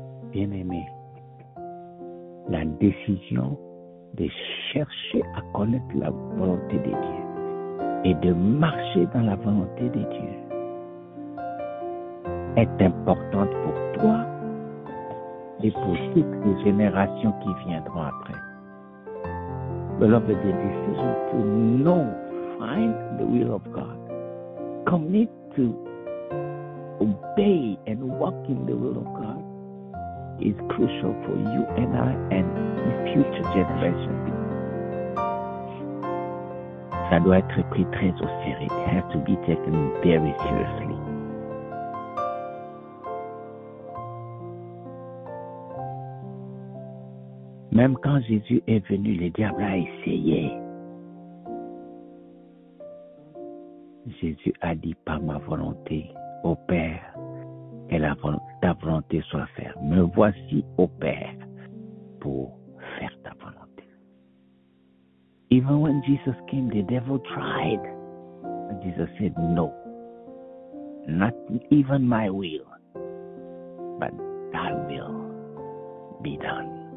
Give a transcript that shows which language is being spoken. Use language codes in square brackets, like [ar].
[fr] Bien-aimé, la décision de chercher à connaître la volonté de Dieu et de marcher dans la volonté de Dieu est importante pour toi et pour toutes les générations qui viendront après. [en] Beloved, the decision to know, find the will of God, commit to obey and walk in the will of God is crucial for you and I and the future generation. [fr] Ça doit être pris très au sérieux. [en] It has to be taken very seriously. [fr] Même quand Jésus est venu, le diable a essayé. Jésus a dit, par ma volonté, au Père, que ta volonté soit faite. Me voici au Père pour faire ta volonté. [en] Even when Jesus came, the devil tried. Jesus said, no, not even my will, but thy will be done.